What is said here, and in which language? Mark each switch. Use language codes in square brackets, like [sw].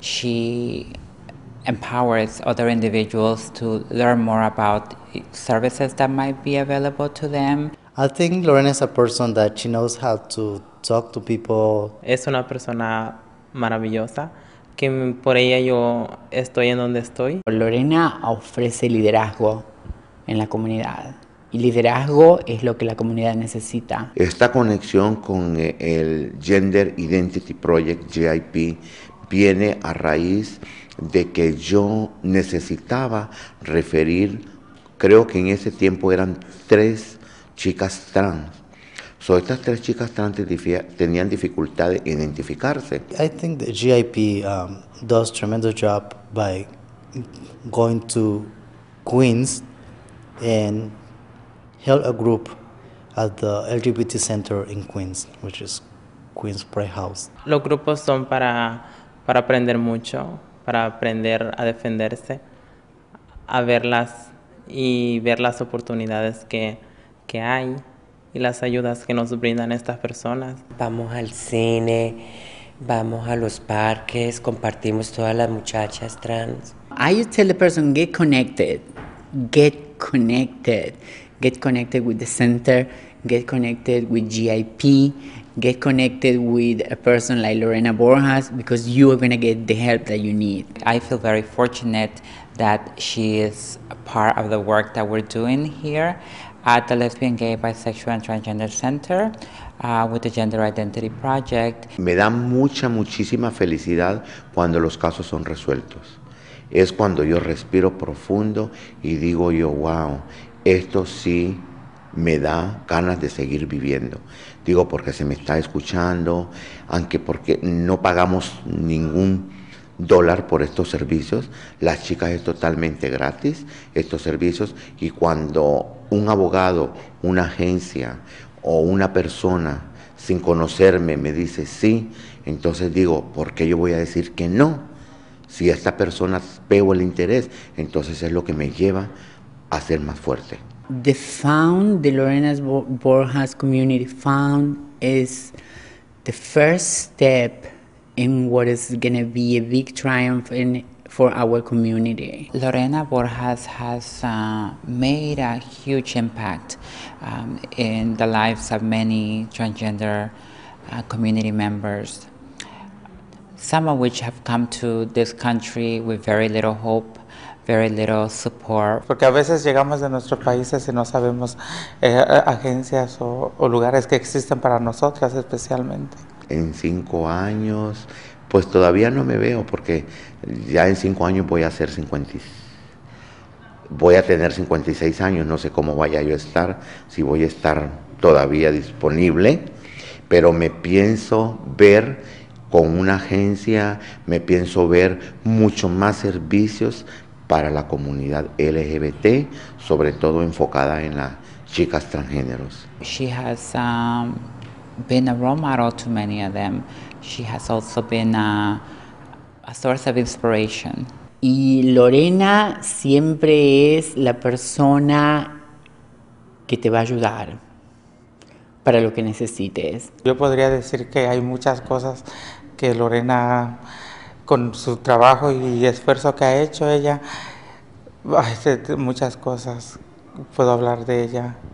[en] She empowers other individuals to learn more about services that might be available to them. I think Lorena is a person that she knows how to talk to people. [es] Es una persona maravillosa que por ella yo estoy en donde estoy. Lorena ofrece liderazgo en la comunidad. Y liderazgo es lo que la comunidad necesita. Esta conexión con el Gender Identity Project, GIP, viene a raíz de que yo necesitaba referir, creo que en ese tiempo eran 3 chicas trans. So estas 3 chicas trans tenían dificultad de identificarse. [en] I think the GIP does tremendous job by going to Queens and held a group at the LGBT center in Queens, which is Queens Pride House. [es] Los grupos son para aprender mucho, para aprender a defenderse, a verlas y ver las oportunidades que hay y las ayudas que nos brindan estas personas. Vamos al cine, vamos a los parques, compartimos todas las muchachas trans. [en] I tell the person, get connected, get connected. Get connected with the center, get connected with GIP, get connected with a person like Lorena Borjas, because you are going to get the help that you need. I feel very fortunate that she is a part of the work that we're doing here at the Lesbian, Gay, Bisexual and Transgender Center with the Gender Identity Project. [es] Me da mucha, muchísima felicidad cuando los casos son resueltos. Es cuando yo respiro profundo y digo yo, wow, esto sí me da ganas de seguir viviendo. Digo, porque se me está escuchando, aunque porque no pagamos ningún dólar por estos servicios, las chicas es totalmente gratis estos servicios, y cuando un abogado, una agencia o una persona sin conocerme me dice sí, entonces digo, ¿por qué yo voy a decir que no? Si esta persona veo el interés, entonces es lo que me lleva a ser más fuerte. [en] The Found, the Lorena Borjas Community Found, is the first step in what is going to be a big triumph for our community. Lorena Borjas has made a huge impact in the lives of many transgender community members, some of which have come to this country with very little hope, very little support. [es] Porque a veces llegamos de nuestros países y no sabemos agencias o lugares que existen para nosotras especialmente. En 5 años, pues todavía no me veo, porque ya en 5 años voy a ser 50. Voy a tener 56 años, no sé cómo vaya yo a estar, si voy a estar todavía disponible, pero me pienso ver con una agencia, me pienso ver mucho más servicios para la comunidad LGBT, sobre todo enfocada en las chicas transgéneros. [en] She has been a role model to many of them. She has also been a source of inspiration. [es] Y Lorena siempre es la persona que te va a ayudar para lo que necesites. Yo podría decir que hay muchas cosas que Lorena, con su trabajo y esfuerzo que ha hecho ella, hace muchas cosas, puedo hablar de ella.